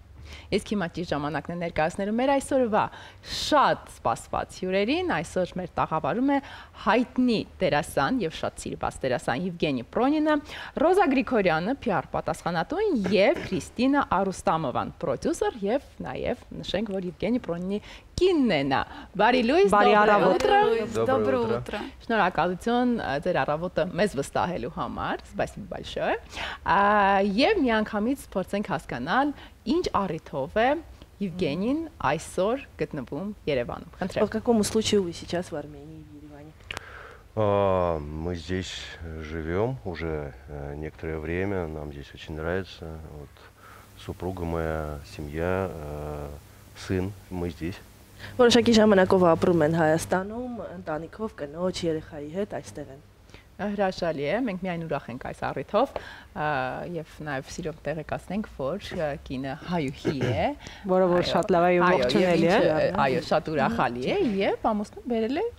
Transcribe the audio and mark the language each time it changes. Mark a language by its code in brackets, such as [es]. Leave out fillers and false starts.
[hy] Իսկ հիմա ճիշտ ժամանակն է ներկայացնելու մեր այսօրվա շատ սպասված հյուրերին։ Այսօր մեր տաղավարում է հայտնի դերասան եւ շատ սիրված դերասան Եվգենի Պրոնինը, Ռոզա Գրիգորյանը PR պատասխանատուն եւ Քրիստինա Արուստամովան պրոդյուսեր, եւ նաեւ նշենք, որ Եվգենի Պրոնինի կինն է նա։ Բարի լույս, բարի [ru] ուտրո, դոբրո ուտրո։ [hy] Շնորհակալություն ձեր առավոտը մեզ վստահելու համար, [ru] սպասիբո բալշոյ։ [hy] Եվ միանգամից փորձենք հասկանալ, ինչ առիթով է Եվգենին այսօր գտնվում Երևանում։ Խնդրեմ։ [ru] По какому случаю вы сейчас в Армении и в Ереване? Мы здесь живём уже некоторое время, нам здесь очень нравится. Вот супруга моя, семья, сын, мы здесь. [hy] Որոշակի ժամանակով ապրում են Հայաստանում, ընտանիքով, կնոջ, երեխայի հետ այստեղ են։ Հրաշալի է, մենք միայն ուրախ ենք այս առիթով, եւ նաեւ սիրով տեղեկացնենք, որ կինը հայուհի է, որը որ շատ լավ է ողջունել, է։ Այո, շատ ուրախալի է եւ ամուսնուն բերել է